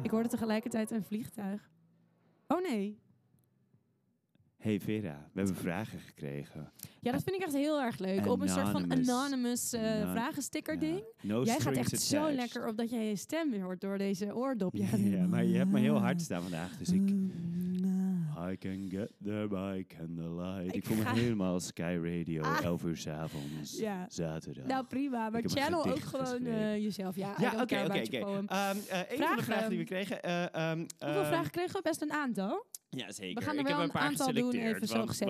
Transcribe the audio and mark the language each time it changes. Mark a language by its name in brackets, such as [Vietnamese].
[Dutch] Ik hoorde tegelijkertijd een vliegtuig. Oh nee. Hey Vera, we hebben vragen gekregen. Ja, dat vind ik echt heel erg leuk. Op een soort van anonymous vragensticker ding. Ja. [English] No [Dutch] jij gaat echt [English] attached. [Dutch] Zo lekker op dat jij je stem weer hoort door deze oordop. Ja, maar je hebt me heel hard staan vandaag. Dus ik... [English] I can get there by candlelight. [Dutch] Ik voel me helemaal Sky Radio. 11 uur 's avonds. Ja. Zaterdag. Nou prima, maar channel ook gewoon jezelf. Ja, oké. Een van de vragen die we kregen. Hoeveel vragen kregen we? Best een aantal. Ja, zeker. We gaan er wel een aantal doen, even zo gezegd.